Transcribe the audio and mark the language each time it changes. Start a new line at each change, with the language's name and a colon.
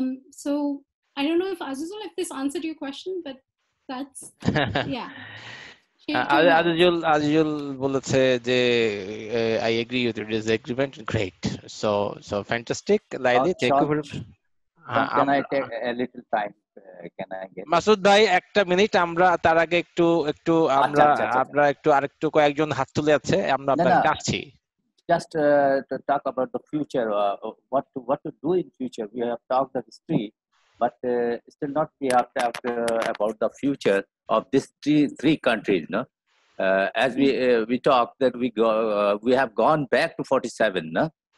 English: So I don't know if Azizul, if this answered your question, but that's, yeah. Azizul
Bangla: বলেছে যে,
English: I agree with your disagreement. Great. So fantastic. Laili, thank you very much. Can I take a little time?
Bangla: Masud ভাই একটা minute, আমরা তার আগে একটু একটু আমরা আমরা একটু আরেকটু কয়েকজন হাত তুলে আছে, আমরা আপনাকে ডাকছি।
English: Just to talk about the future, what to do in future. We have talked the history, but still not we have talked about the future of this three countries, no? As we talk that we have gone back to 47, no?